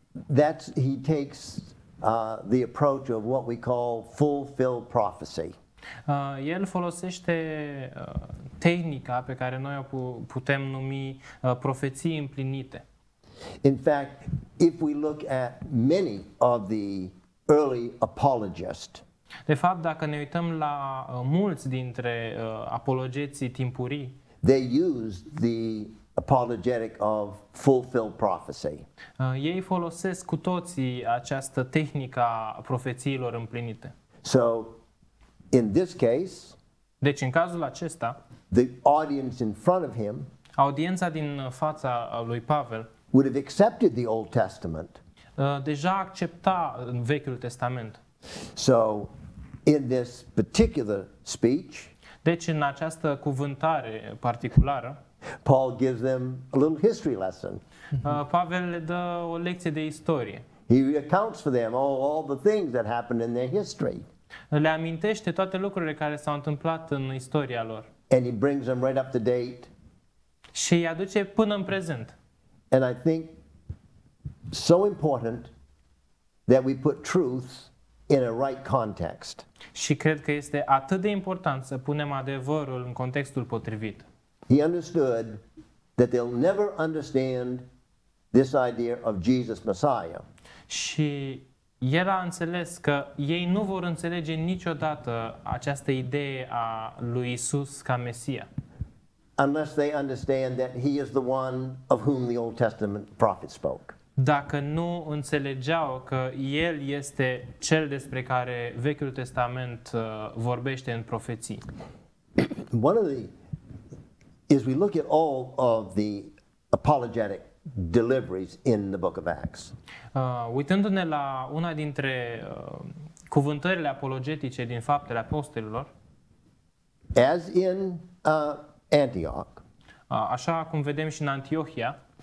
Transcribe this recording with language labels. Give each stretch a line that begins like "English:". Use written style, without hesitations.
English: That's, he takes the approach of what we call fulfilled prophecy.
Romanian: El folosește tehnica pe care noi o putem numi profeții împlinite.
English: In fact, if we look at many of the early apologists.
Romanian: De fapt, dacă ne uităm la mulți dintre apologeții timpurii,
English: they used the apologetic of fulfilled prophecy.
Romanian: Ei folosesc cu toții această tehnică a profețiilor împlinite.
English: So in this case,
Romanian: deci în cazul acesta,
English: the audience in front of him,
Romanian: audiența din fața lui Pavel,
English: would have accepted the Old Testament.
Romanian: Deja accepta Vechiul Testament.
English: So in this particular speech,
Romanian: deci în această cuvântare particulară,
English: Paul gives them a little history lesson.
Romanian: Pavel le dă o lecție de istorie.
English: He accounts for them all the things that happened in their history.
Romanian: Le amintește toate lucrurile care s-au întâmplat în istoria lor.
English: And he brings them right up to date.
Romanian: Și îi aduce până în prezent.
English: And I think so important that we put truth in a right context.
Romanian: Și cred că este atât de important să punem adevărul în contextul potrivit.
English: He understood that they'll never understand this idea of Jesus Messiah.
Romanian: Și el a înțeles că ei nu vor înțelege niciodată această idee a lui Iisus ca Mesia.
English: Unless they understand that he is the one of whom the Old Testament prophet spoke.
Romanian: Dacă nu înțelegeau că el este cel despre care Vechiul Testament vorbește în profeții.
English: One of the, as we look at all of the apologetic deliveries in the book of Acts.
Romanian: Uitându-ne la una dintre cuvântările apologetice din Faptele Apostolilor.
English: As in Antioch.
Romanian: Așa cum vedem și în Antiohia.